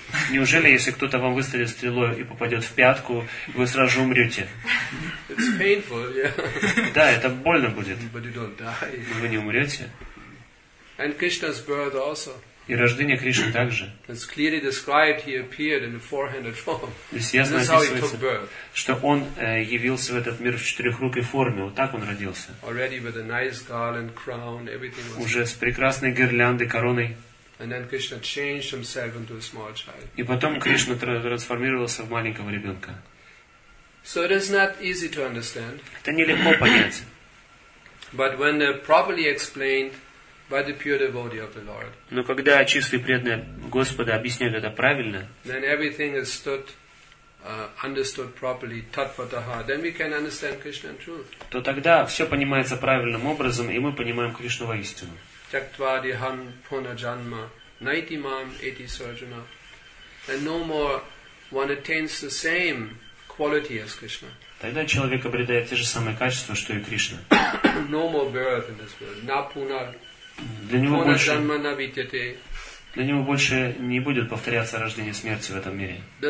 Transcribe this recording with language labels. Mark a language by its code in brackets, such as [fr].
[ru] Неужели, если кто-то вам выстрелит стрелой и попадет в пятку, вы сразу же умрете? [en] It's painful, yeah. [ru] Да, это больно будет. [en] But you don't die. [ru] Но вы не умрете. [en] And Krishna's birth also. [ru] И рождение Кришны также. [en] It's clearly described, he appeared in a four-handed form. [ru] Здесь ясно описывается, что он явился в этот мир в четырехрукой форме. Вот так он родился. [en] Already with a nice garland, crown, everything was. [ru] Уже с прекрасной гирляндой, короной. [en] And then Krishna changed himself into a small child. [ru] И потом Кришна трансформировался в маленького ребенка. [en] So it is not easy to understand. [ru] Это нелегко понять. [en] But when properly explained. By the pure devotee of the Lord. [ru] Но когда чистые преданные Господа объясняют это правильно, [en] then everything is stood, understood properly, tatvataha. Then we can understand Krishna in truth. [ru] То тогда все понимается правильным образом, и мы понимаем Кришну воистину. [sa] Чактвадихам пунаджанма найтимам эти сарджуна. [en] And no more one attains the same quality as Krishna. [ru] Тогда человек обретает те же самые качества, что и Кришна. [en] No more birth in this world. Напуна. [ru] Для него больше не будет повторяться рождение смерти в этом мире.